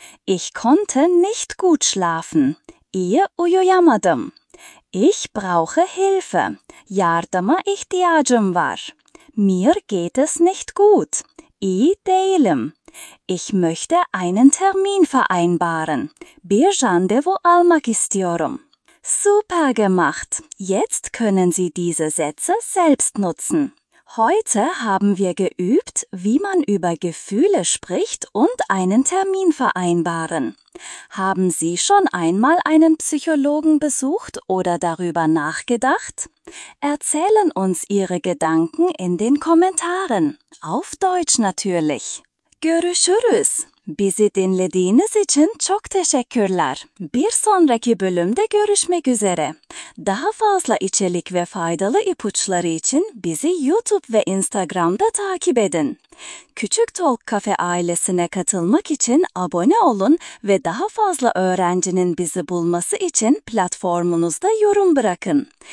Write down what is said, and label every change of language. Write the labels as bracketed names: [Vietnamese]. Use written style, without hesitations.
[German] Ich konnte nicht gut schlafen. [Turkish] İyi uyuyamadım. [German] Ich brauche Hilfe. [Turkish] Yardıma ihtiyacım var. [German] Mir geht es nicht gut. [Turkish] İyi değilim. [German] Ich möchte einen Termin vereinbaren. [Turkish] Bir randevu almak istiyorum. [German] Super gemacht! Jetzt können Sie diese Sätze selbst nutzen. Heute haben wir geübt, wie man über Gefühle spricht und einen Termin vereinbaren. Haben Sie schon einmal einen Psychologen besucht oder darüber nachgedacht? Erzählen uns Ihre Gedanken in den Kommentaren. Auf Deutsch natürlich. [Turkish] Görüşürüz. Bizi dinlediğiniz için çok teşekkürler. Bir sonraki bölümde görüşmek üzere. Daha fazla içerik ve faydalı ipuçları için bizi YouTube ve Instagram'da takip edin. Küçük Talk Kafe ailesine katılmak için abone olun ve daha fazla öğrencinin bizi bulması için platformunuzda yorum bırakın.